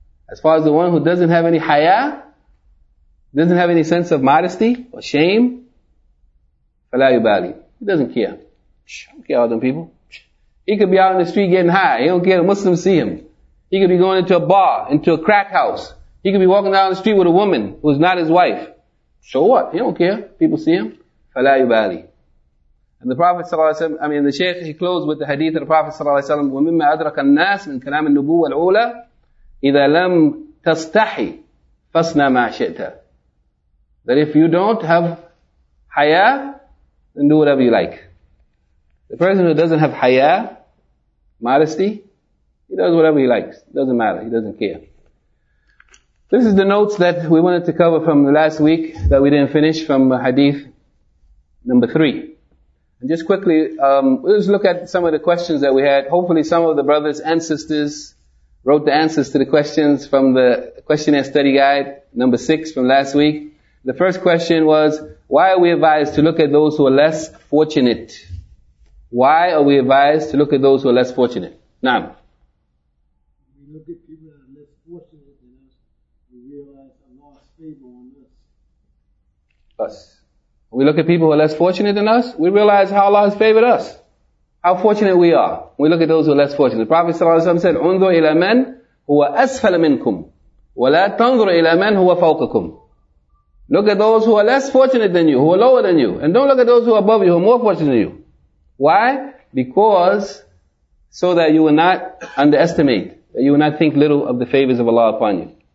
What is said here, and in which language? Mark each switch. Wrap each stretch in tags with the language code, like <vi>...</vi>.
<en>As far as the one who doesn't have any haya, doesn't have any sense of modesty or shame,</en> <ar>فَلَا يُبَالِي.</ar> <en>He doesn't care. Psh, don't care about them people. Psh. He could be out in the street getting high. He don't care if Muslims see him. He could be going into a bar, into a crack house. He could be walking down the street with a woman who's not his wife. So what? He don't care. People see him.</en> <ar>فَلَا يُبَالِي.</ar> <en>And the Prophet ﷺ,</en> <ar>the Shaykh, he closed with the hadith of the Prophet ﷺ, وَمِمَّا أَدْرَكَ النَّاسِ مِنْ كَلَامِ النُّبُوَّةِ الْأُولَى إِذَا لَمْ تَسْتَحِي فَاصْنَعْ مَا شِئْتَ.</ar> <en>That if you don't have haya, then do whatever you like. The person who doesn't have haya, modesty, he does whatever he likes. It doesn't matter. He doesn't care. This is the notes that we wanted to cover from the last week that we didn't finish from hadith number 3. And just quickly, let's look at some of the questions that we had. Hopefully some of the brothers and sisters wrote the answers to the questions from the questionnaire study guide number 6 from last week. The first question was, why are we advised to look at those who are less fortunate? Why are we advised to look at those who are less fortunate?</en> <ar>Naam.</ar> <en>We look at people that are less fortunate than us, we realize Allah's favor on us. Us. When we look at people who are less fortunate than us, we realize how Allah has favored us. How fortunate we are. We look at those who are less fortunate. The Prophet ﷺ said,</en> <ar>انظر إلى من هو أسفل منكم ولا تنظر إلى من هو فوقكم.</ar> <en>Look at those who are less fortunate than you, who are lower than you. And don't look at those who are above you, who are more fortunate than you. Why? Because so that you will not underestimate, that you will not think little of the favors of Allah upon you.</en>